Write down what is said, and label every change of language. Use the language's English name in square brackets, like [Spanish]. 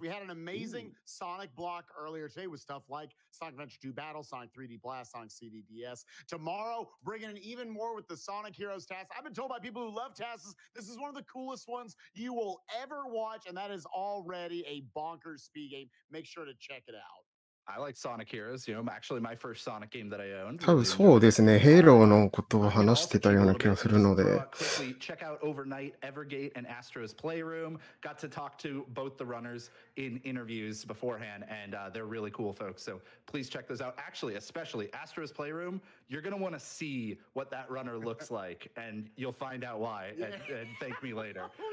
[English] We had an amazing Sonic block earlier today with stuff like Sonic Adventure 2 Battle, Sonic 3D Blast, Sonic CDDS. Tomorrow, bringing in even more with the Sonic Heroes Task. I've been told by people who love tasks, this is one of the coolest ones you will ever watch, and that is already a bonkers speed game. Make sure to check it out. I like Sonic Heroes, you know, actually my first Sonic game that I owned. [Japanese] 多分そうですね、ヘイローのことを話してたような気がするので。 [English] Check out Overnight, Evergate, and Astro's Playroom. Got to talk to both the runners in interviews beforehand, and they're really cool folks, so please check those out. Actually, especially Astro's Playroom, you're going to want to see what that runner looks like, and you'll find out why, and thank me later.